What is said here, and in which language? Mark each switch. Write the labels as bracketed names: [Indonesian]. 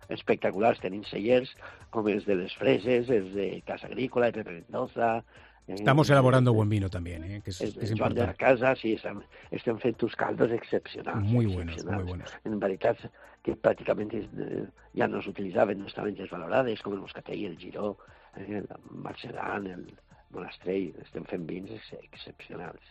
[Catalan] Espectaculars, tenim cellers, com els de les Freses, els de Casa Agrícola, de Mendoza... [Spanish] Estamos elaborando buen vino también, que es Joan importante. [Catalan] De la casa, sí, estem fent [Spanish] tus caldos [Catalan] excepcionals. [Spanish] Muy buenos, [Catalan] excepcionals. [Spanish] Muy buenos. [Catalan] En veritat, que pràcticament ja no s'utilitzaven, no estaven desvalorades, com el Moscatell, el Giró, el Marcelan, el Monastrell, estem fent vins excepcionals.